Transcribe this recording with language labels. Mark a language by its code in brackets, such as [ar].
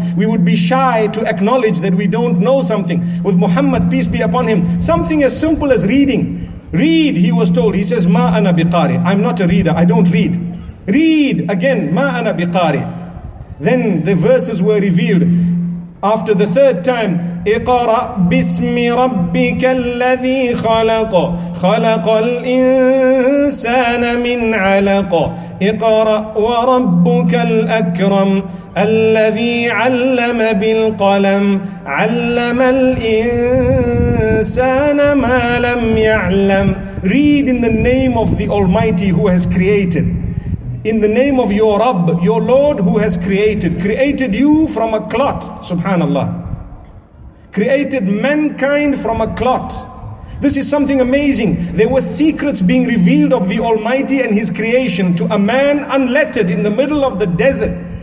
[en] We would be shy to acknowledge that we don't know something. With Muhammad, peace be upon him, something as simple as reading. Read, he was told. He says, [ar] Ma ana biqari. [en] I'm not a reader. I don't read. Read again. [ar] Ma ana biqari. [en] Then the verses were revealed. After the third time, [ar] اقرأ باسم ربك الذي خلق خلق الإنسان من علق اقرأ وربك الأكرم الذي علم بالقلم علم الإنسان ما لم يعلم. [en] Read in the name of the Almighty who has created. In the name of your Rabb, your Lord, who has created you from a clot, subhanallah. Created mankind from a clot. This is something amazing. There were secrets being revealed of the Almighty and his creation to a man unlettered in the middle of the desert.